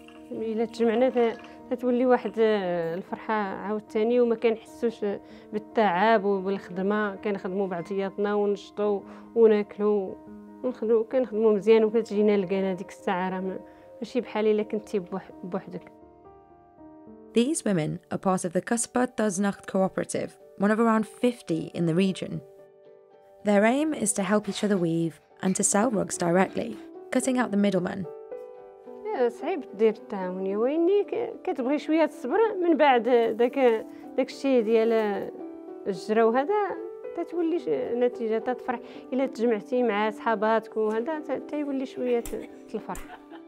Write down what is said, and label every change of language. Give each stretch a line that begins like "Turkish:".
Arabic: إلا تجمعنا تتولي واحد الفرحة عاود تاني وما كنحسوش بالتعب وبالخدمة، كنخدموا بعضياتنا ونشطوا وناكلوا ونخدموا، كنخدموا مزيان وكتجينا لقينا ديك الساعة راه ماشي بحال إلا كنتي بوحدك.
English: These women are part of the Kasba Tuznacht Cooperative, one of around 50 in the region. Their aim is to help each other weave and to sell rugs directly, cutting out the middleman.
Arabic: صعيب دير التعاون يا ويلي، كتبغي شويه الصبر من بعد داك الشيء ديال الجرا وهذا، تتولي النتيجه تتفرح الا تجمعتي مع صحاباتك وهذا تيولي شويه الفرح.